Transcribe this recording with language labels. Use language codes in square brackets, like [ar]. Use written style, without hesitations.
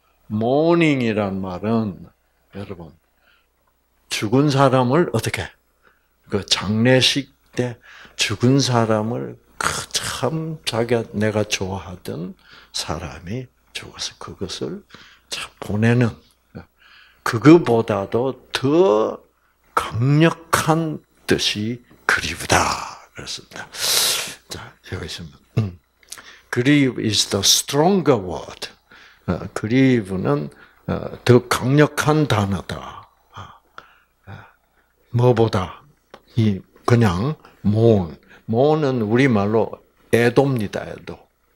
[ko] mourning이란 말은, 여러분, 죽은 사람을 어떻게, 그 장례식 때 죽은 사람을 참 자기가 내가 좋아하던 사람이 그래서 그것을 보내는, 그거보다도 더 강력한 뜻이 그리우다. 그렇습니다. 자, 여기 있으면, [en] grieve is the stronger word. [ko] grieve는 더 강력한 단어다. 뭐보다, 그냥 mourn. mourn은 우리말로 애도입니다, 애도.